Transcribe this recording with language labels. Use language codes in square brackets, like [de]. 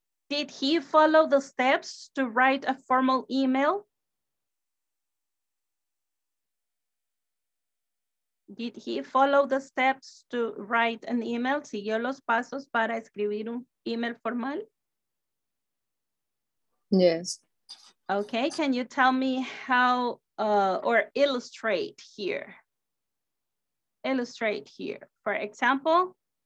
[en] Did he follow the steps to write a formal email? Did he follow the steps to write an email? [es] ¿Siguió los pasos para escribir un email formal? [en] Yes. Okay, can you tell me how or illustrate here? Illustrate here. For example,